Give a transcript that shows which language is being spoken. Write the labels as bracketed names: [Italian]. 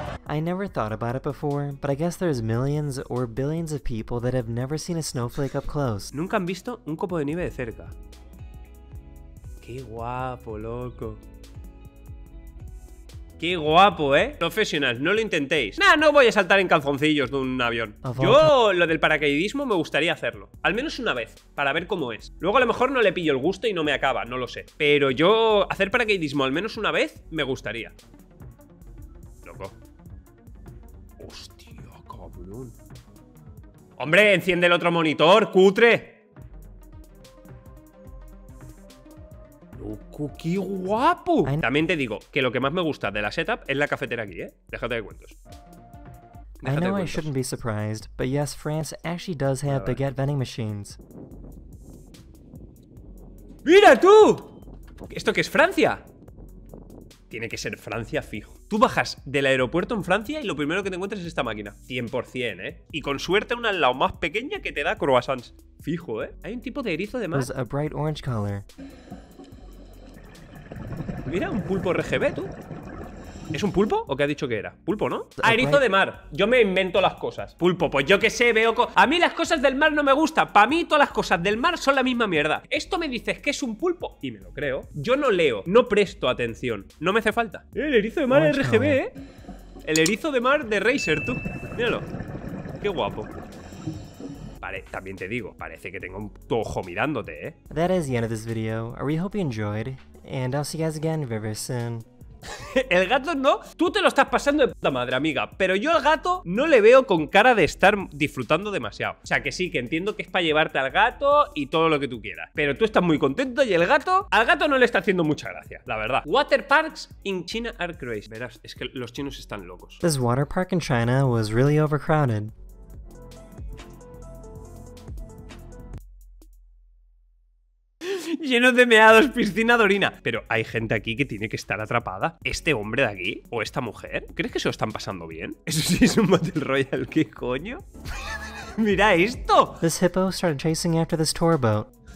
[English] I never thought about it before, but I guess there's millions or billions of people that have never seen a snowflake up close. [Spanish] Nunca han visto un copo de nieve de cerca. ¡Qué guapo, loco! Qué guapo, ¿eh? Profesionales, no lo intentéis. Nah, no voy a saltar en calzoncillos de un avión. Yo lo del paracaidismo me gustaría hacerlo. Al menos una vez, para ver cómo es. Luego a lo mejor no le pillo el gusto y no me acaba, no lo sé. Pero yo hacer paracaidismo al menos una vez me gustaría. Loco. Hostia, cabrón. Hombre, enciende el otro monitor, cutre. ¡Qué guapo! También te digo que lo que más me gusta de la setup es la cafetera aquí, ¿eh? Déjate de cuentos. [English] I know I shouldn't be surprised, but yes, France actually does have baguette vending machines. [Spanish] ¡Mira tú! ¿Esto qué es Francia? Tiene que ser Francia fijo. Tú bajas del aeropuerto en Francia y lo primero que te encuentras es esta máquina. 100%, ¿eh? Y con suerte una al lado más pequeña que te da croissants. Fijo, ¿eh? Hay un tipo de erizo de mar. [English] Was a bright orange color. [Spanish] Mira, un pulpo RGB, tú. ¿Es un pulpo? ¿O qué ha dicho que era? Pulpo, ¿no? Ah, erizo de mar. Yo me invento las cosas. Pulpo, pues yo qué sé, veo... A mí las cosas del mar no me gustan. Para mí todas las cosas del mar son la misma mierda. Esto me dices que es un pulpo. Y me lo creo. Yo no leo, no presto atención. No me hace falta. El erizo de mar RGB, ¿eh? El erizo de mar de Razer, tú. Míralo. Qué guapo. Vale, también te digo, parece que tengo un ojo mirándote, ¿eh? [English] That is the end of this video. We hope you enjoyed. And I'll see you guys again very soon. [Spanish] El gato no, tú te lo estás pasando de puta madre, amiga. Pero yo al gato no le veo con cara de estar disfrutando demasiado. O sea, que sí, que entiendo que es para llevarte al gato y todo lo que tú quieras. Pero tú estás muy contento y el gato, al gato no le está haciendo mucha gracia, la verdad. [English] Water parks in China are crazy. [Spanish] Verás, es que los chinos están locos. [English] This water park in China was really overcrowded. [Spanish] Llenos de meados, piscina de orina. Pero hay gente aquí que tiene que estar atrapada. ¿Este hombre de aquí? ¿O esta mujer? ¿Crees que se lo están pasando bien? Eso sí es un Battle Royale, ¿qué coño? ¡Mira esto! [English] This hippo started chasing after this tour boat.